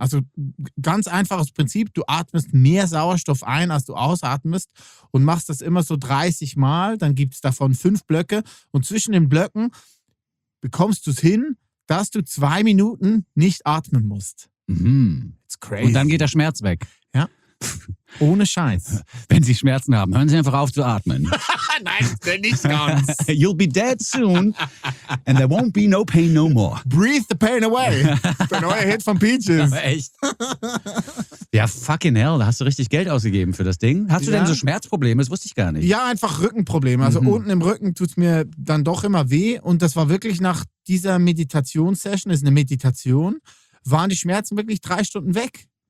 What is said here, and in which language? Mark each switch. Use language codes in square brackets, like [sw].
[de] Also ganz einfaches Prinzip, du atmest mehr Sauerstoff ein, als du ausatmest und machst das immer so 30 Mal, dann gibt es davon 5 Blöcke und zwischen den Blöcken bekommst du es hin, dass du 2 Minuten nicht atmen musst. [en] It's crazy. [de] Und dann geht der Schmerz weg. Ja. Ohne Scheiß. Wenn Sie Schmerzen haben, hören Sie einfach auf zu atmen. Nein, nicht ganz. [en] You'll be dead soon and there won't be no pain no more. Breathe the pain away. [de] Der neue Hit von Peaches. Ja, echt. Ja, [en] fucking hell, [de] da hast du richtig Geld ausgegeben für das Ding. Hast du denn so Schmerzprobleme? Das wusste ich gar nicht. Ja, einfach Rückenprobleme. Also unten im Rücken tut es mir dann doch immer weh. Und das war wirklich nach dieser Meditationssession, ist eine Meditation, waren die Schmerzen wirklich 3 Stunden weg.